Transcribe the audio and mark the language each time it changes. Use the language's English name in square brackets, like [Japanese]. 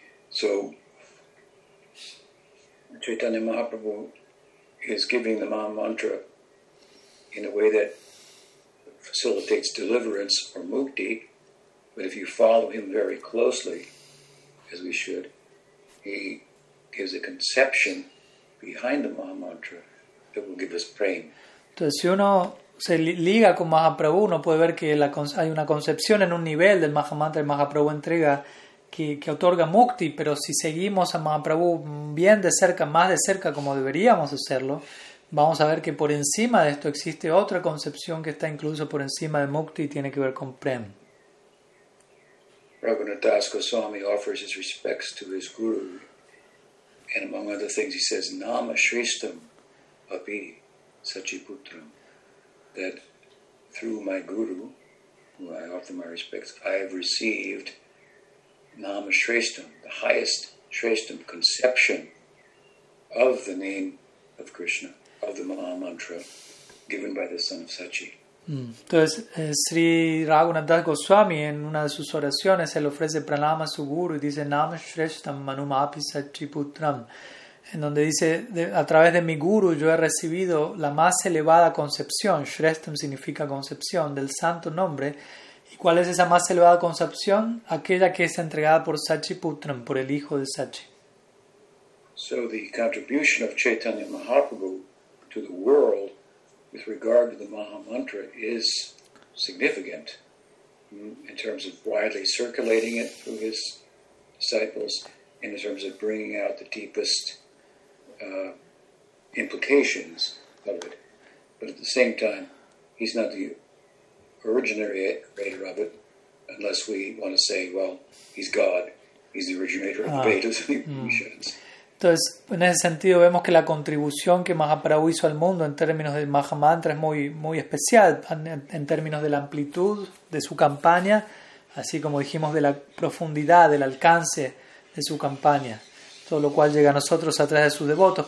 [English] So, Chaitanya Mahaprabhu is giving the Mahamantra in a way that facilitates deliverance or mukti, but if you follow him very closely, as we should, he gives a conception behind the Mahamantra that will give us praying. [Spanish] Entonces, si uno se liga con Mahaprabhu, uno puede ver que hay una concepción en un nivel del Mahamantra que Mahaprabhu entrega que otorga mukti, pero si seguimos a Mahaprabhu bien de cerca, más de cerca como deberíamos hacerlo, vamos a ver que por encima de esto existe otra concepción que está incluso por encima de mukti y tiene que ver con prem. [English] Raghunath Das Goswami offers his respects to his guru. And among other things, he says, Nama Shrestham Api Sachiputram, that through my guru, whom I offer my respects, I have received Nama Shrestham, the highest Shrestham conception of the name of Krishna, of the Mahamantra, given by the son of Sachi. [Spanish] Entonces, Sri Raghunath Das Goswami, en una de sus oraciones, él ofrece pranama a su guru y dice Nam Shrestham Manum Api Sachiputram, en donde dice, a través de mi guru yo he recibido la más elevada concepción, Shrestham significa concepción, del santo nombre. ¿Y cuál es esa más elevada concepción? Aquella que es entregada por Sachiputram, por el hijo de Sachi. [English] So the contribution of Chaitanya Mahaprabhu to the world with regard to the Mahamantra is significant in terms of widely circulating it through his disciples, in terms of bringing out the deepest implications of it. But at the same time, he's not the originator of it, unless we want to say, well, he's God, he's the originator of the Vedas and the Upanishads. [Spanish] Entonces, en ese sentido, vemos que la contribución que Mahaprabhu hizo al mundo en términos del Mahamantra es muy, muy especial en términos de la amplitud de su campaña, así como dijimos de la profundidad, del alcance de su campaña, todo lo cual llega a nosotros a través de sus devotos.